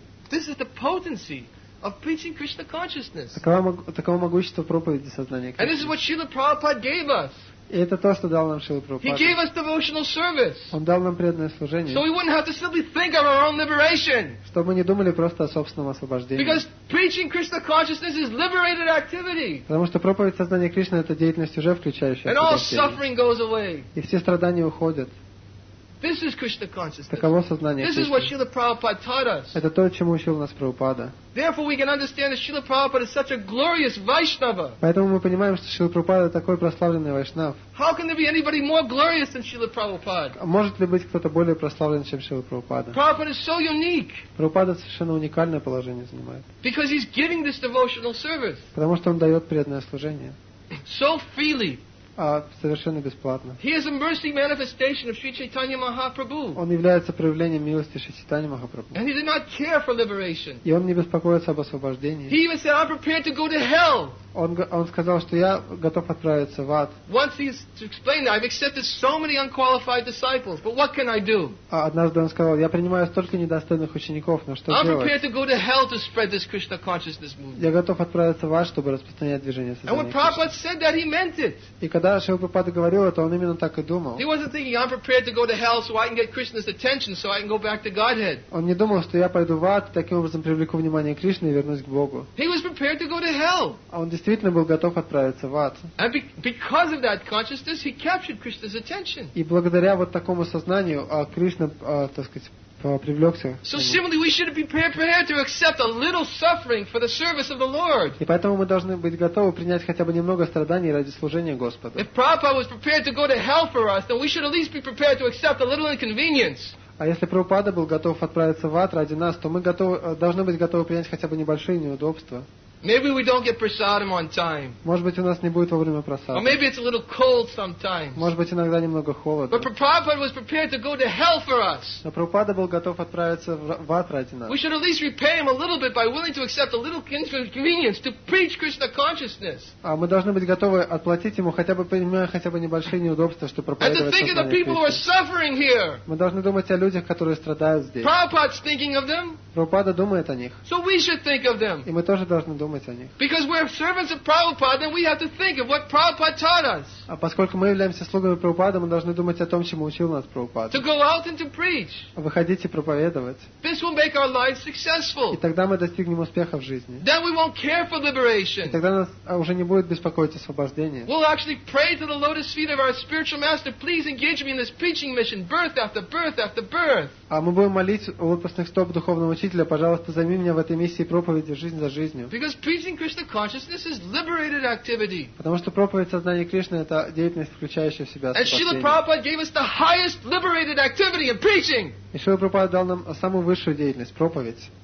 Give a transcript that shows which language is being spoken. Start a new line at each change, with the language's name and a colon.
English: This is the potency of preaching Krishna consciousness.
Russian: Таково могущество проповеди сознания Кришны.
English: And this is what Srila Prabhupada gave us.
Russian: И это то, что дал нам Шрила Прабхупада.
English: He gave us devotional service.
Russian: Он дал нам преданное служение.
English: So we wouldn't have to simply think of our own liberation.
Russian: Чтобы мы не думали просто о собственном освобождении.
English: Because preaching Krishna consciousness is liberated activity.
Russian: Потому что проповедь сознания Кришны это деятельность уже включающая.
English: And all suffering goes away.
Russian: И все страдания уходят.
English: This is Krishna consciousness. This is what Srila Prabhupada taught us.
Russian: Это то, чему учил нас Прабхупада.
English: Therefore, we can understand that Srila Prabhupada is such a glorious Vaishnava.
Russian: Поэтому мы понимаем, что Шрила Прабхупада такой прославленный вайшнав.
English: How can there be anybody more glorious than Srila Prabhupada?
Russian: Может ли быть кто-то более прославлен, чем Шрила Прабхупада?
English: Prabhupada is so unique.
Russian: Прабхупада совершенно уникальное положение занимает.
English: Because he's giving this devotional service.
Russian: Потому что он дает преданное служение.
English: So freely.
Russian: а совершенно бесплатно.
English: He is a mercy manifestation of Sri Chaitanya Mahaprabhu.
Russian: Он является проявлением милости Шри Чайтаньи Махапрабху.
English: And he did not care for liberation.
Russian: И он не беспокоится об освобождении.
English: He even said, "I'm prepared to go to hell."
Russian: Он сказал, что я готов отправиться в ад.
English: Once he has explained that, I've accepted so many unqualified disciples, but what can I do?
Russian: Однажды он сказал, я принимаю столько недостойных учеников, но что
English: делать? I'm prepared to go to hell to spread this Krishna consciousness movement.
Russian: Я готов отправиться в ад, чтобы распространять движение сознания.
English: And when Prabhupada said that, he meant it.
Russian: И когда Шрила Прабхупада говорил это, он именно так и думал.
English: He wasn't thinking, I'm prepared to go to hell so I can get Krishna's attention so I can go back to Godhead.
Russian: Он не думал, что я пойду в ад, таким образом привлеку внимание Кришны и вернусь к Богу.
English: He was prepared to go to hell.
Russian: Действительно был готов отправиться в ад.
English: And because of that consciousness, he captured Krishna's attention.
Russian: И благодаря вот такому сознанию Кришна, так сказать, привлекся.
English: So similarly, we should be prepared to accept a little suffering for the service of the Lord.
Russian: И поэтому мы должны быть готовы принять хотя бы немного страданий ради служения Господу.
English: If Prabhupada was prepared to go to hell for us, then we should at least be prepared to accept a little inconvenience.
Russian: А если Прабхупада был готов отправиться в ад ради нас, то мы должны быть готовы принять хотя бы небольшие неудобства.
English: Maybe we don't get prasadam on time.
Russian: Может быть, у нас не будет вовремя прасада.
English: Or maybe it's a little cold sometimes.
Russian: Может быть, иногда немного холодно.
English: But Prabhupada was prepared to go to hell for us.
Russian: Но Прабхупада был готов отправиться в ад ради нас.
English: We should at least repay him a little bit by willing to accept a little inconvenience to preach Krishna consciousness.
Russian: А мы должны быть готовы отплатить ему хотя бы, понимая, хотя бы небольшие неудобства, чтобы проповедовать сознание
English: Кришны. And to think of the people who are suffering here.
Russian: Мы должны думать о людях, которые страдают здесь.
English: Prabhupada's thinking of them.
Russian: Прабхупада думает о них.
English: So we should think of them.
Russian: И мы тоже должны думать.
English: Because we're servants of Prabhupada, then we have to think of what Prabhupada taught us.
Russian: А поскольку мы являемся слугами Прабхупады, мы должны думать о том, чему учил нас Прабхупада.
English: To go out and to preach.
Russian: Выходить и проповедовать.
English: This will make our lives successful.
Russian: И тогда мы достигнем успеха в жизни.
English: Then we won't care for liberation.
Russian: И тогда нас уже не будет беспокоить освобождение.
English: We'll actually pray to the lotus feet of our spiritual master, please engage me in this preaching mission, birth after birth after birth.
Russian: А мы будем молить у лотосных стоп духовного учителя, пожалуйста, займи меня в этой миссии проповеди жизнь за жизнью.
English: Preaching Krishna consciousness is liberated activity.
Russian: Потому что проповедь сознания Кришны это деятельность, включающая в себя освобождение.
English: And Srila Prabhupada gave us the highest liberated activity in preaching.
Russian: И Шрила Прабхупада дал нам самую высшую деятельность проповедь.